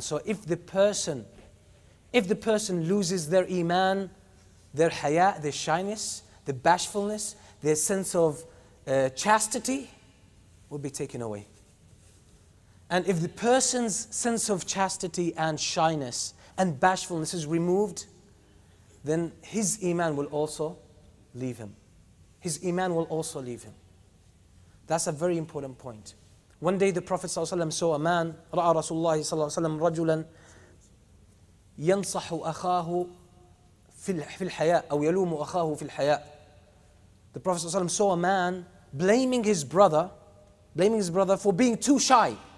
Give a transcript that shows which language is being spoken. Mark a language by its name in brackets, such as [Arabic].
[English] So if the person loses their iman, their haya, their shyness, the bashfulness, their sense of chastity will be taken away. And if the person's sense of chastity and shyness and bashfulness is removed, then his iman will also leave him. His iman will also leave him. That's a very important point. [Arabic] One day the Prophet ﷺ saw a man, رأى رسول الله صلى الله عليه وسلم رجلا ينصح أخاه في الحياء أو يلوم أخاه في الحياء. [English] The Prophet ﷺ saw a man blaming his brother for being too shy.